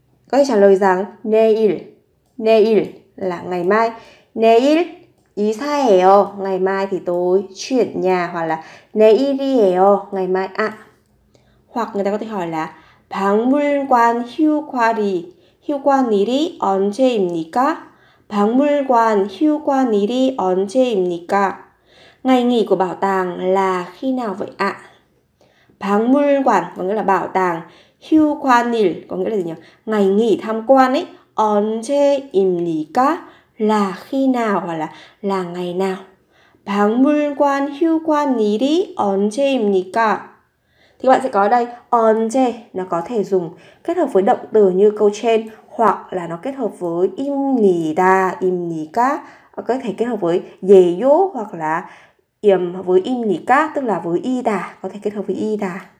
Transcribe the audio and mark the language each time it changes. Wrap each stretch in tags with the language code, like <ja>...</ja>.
<vi>Có thể trả lời rằng 내일. 내일 là ngày mai.</vi> <ko>내일 이사해요.</ko> <vi>Ngày mai thì tôi chuyển nhà, hoặc là 내일이에요. Ngày mai ạ. Hoặc người ta có thể hỏi là</vi> <ko>박물관 휴관이 휴관일이 언제입니까? 박물관 휴관일이 언제입니까?</ko> <vi>Ngày nghỉ của bảo tàng là khi nào vậy ạ? 박물관 có nghĩa là bảo tàng, 휴관일 có nghĩa là gì nhỉ? Ngày nghỉ tham quan ấy, 언제입니까? Là khi nào hoặc là ngày nào?</vi> <ko>박물관 휴관일이 언제입니까?</ko> <vi>Thì bạn sẽ có ở đây 언제, nó có thể dùng kết hợp với động từ như câu trên, hoặc là nó kết hợp với 입니다, 입니까, có thể kết hợp với 예요 hoặc là 임 với 입니까, tức là với 이다, có thể kết hợp với 이다.</vi>